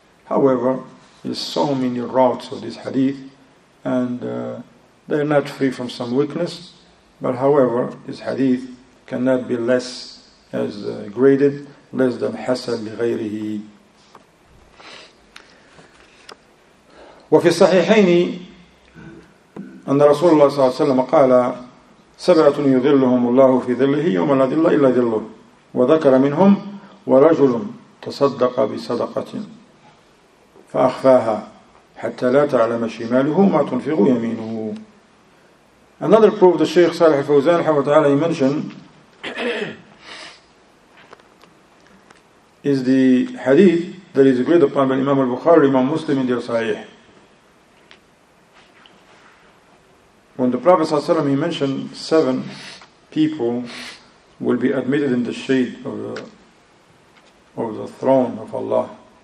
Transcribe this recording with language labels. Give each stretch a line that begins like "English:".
English: However, there's so many routes of this hadith and they're not free from some weakness. But however, this hadith cannot be less as graded, less than حسن لغيره.
Arabic: وفي الصحيحين أن رسول الله صلى الله عليه وسلم قال سبعة يظلهم الله في ظله يوم لا ظل إلا ظله وذكر منهم ورجل تصدق بصدقة فأخفاها حتى لا تعلم شماله ما تنفق يمينه.
English: Another proof the Sheikh Salih Fawzan
Arabic: رحمه الله تعالى
English: mentioned is the hadith that is agreed upon by Imam al-Bukhari, Imam Muslim in their Sahih. When the Prophet ﷺ, he mentioned seven people will be admitted in the shade of the throne of Allah.